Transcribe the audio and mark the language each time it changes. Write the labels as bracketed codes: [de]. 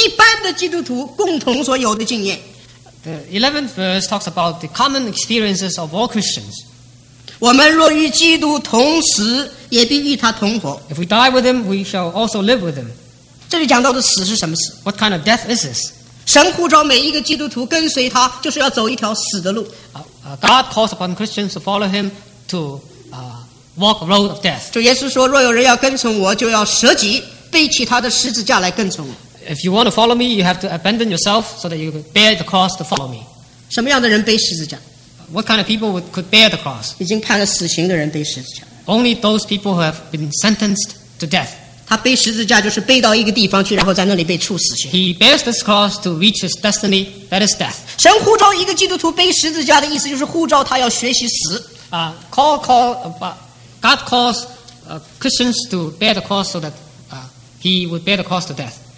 [zh] 第十一节开始是讲到一般的基督徒共同所有的经验。 [en] The 11th verse talks about the common experiences of all Christians. [zh] 我们若与基督同死, 也必与他同活。 [en] If we die with him, we shall also live with him. [zh] 这里讲到的死是什么死? [en] What kind of death is this? [zh] 神呼召每一个基督徒跟随他, 就是要走一条死的路。 [en] God calls upon Christians to follow him to walk the road of death. [zh] 主耶稣说, 若有人要跟从我, 就要舍己, 背起他的十字架来跟从我。 [en] If you want to follow me, you have to abandon yourself so that you can bear the cross to follow me. [zh] 什么样的人背十字架? [en] What kind of people could bear the cross? [zh] 已经判了死刑的人背十字架。 [en] Only those people who have been sentenced to death. [zh] 他背十字架就是背到一个地方去, 然后在那里被处死刑。 [en] He bears this cross to reach his destiny, that is death. [zh] 神呼召一个基督徒背十字架的意思就是呼召他要学习死。 [en] God calls Christians to bear the cross so that he would bear the cross to death.